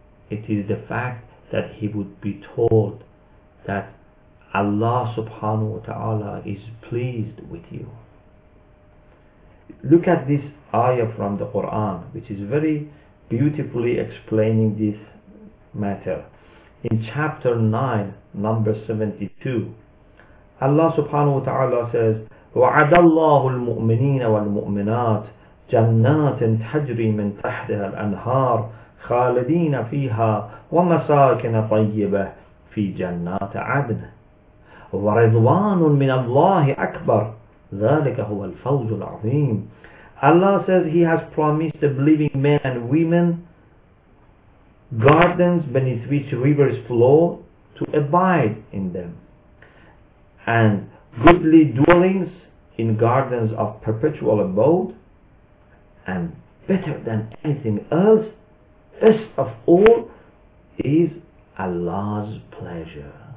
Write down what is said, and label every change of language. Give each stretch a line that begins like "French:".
English: It is the fact that he would be told that Allah subhanahu wa ta'ala is pleased with you. Look at this ayah from the Quran, which is very beautifully explaining this matter. In chapter 9, number 72, Allah subhanahu wa ta'ala says,
Arabic: وَعَدَ اللَّهُ الْمُؤْمِنِينَ وَالْمُؤْمِنَاتِ جَنَّاتٍ تَجْرِي مِنْ تَحْتِهَا الْأَنْهَارِ خَالِدِينَ فِيهَا وَمَسَاكِنَ طَيِّبَةٍ فِي جَنَّاتِ عَدْنٍ وَرِضْوَانٌ مِنَ اللَّهِ أَكْبَرُ ذَلِكَ هُوَ الْفَوْزُ الْعَظِيمُ.
English: Allah says He has promised the believing men and women gardens beneath which rivers flow to abide in them, and goodly dwellings in gardens of perpetual abode, and better than anything else, best of all, is Allah's pleasure.